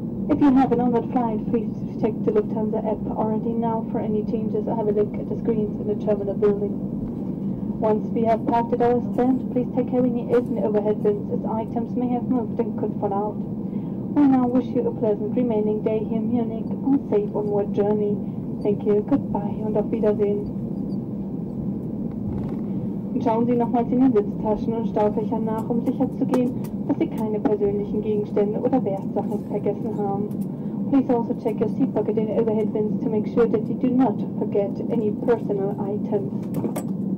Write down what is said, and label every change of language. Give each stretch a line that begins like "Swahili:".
English: If you have an onward flight, please check the Lufthansa app already now for any changes or have a look at the screens in the terminal building. Once we have parked at our stand, please take care when you open overhead bins as items may have moved and could fall out. We now wish you a pleasant remaining day here in Munich and safe onward journey. Thank you, goodbye und
German: auf Wiedersehen. Schauen Sie nochmals in den Sitztaschen und Staubfächern nach, um sicherzugehen, dass Sie keine persönlichen Gegenstände oder Wertsachen vergessen haben.
English: Please also check your seat pocket and overhead bins to make sure that you do not forget any personal items.